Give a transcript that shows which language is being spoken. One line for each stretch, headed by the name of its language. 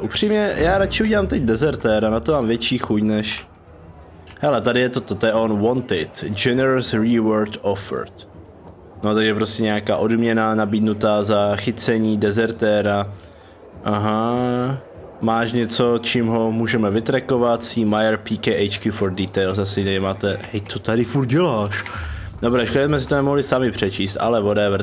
Czech: Upřímně, já radši udělám teď Dezertéra, na to mám větší chuť než... Hele, tady je to, to je on wanted.
English: Generous reward offered.
Czech: No, tady je prostě nějaká odměna nabídnutá za chycení Dezertéra. Aha. Máš něco, čím ho můžeme vytrackovat?
English: See Meyer PK HQ for details.
Czech: Asi tady máte... Hej, to tady furt děláš? Dobré, škoda, jsme si to nemohli sami přečíst, ale whatever.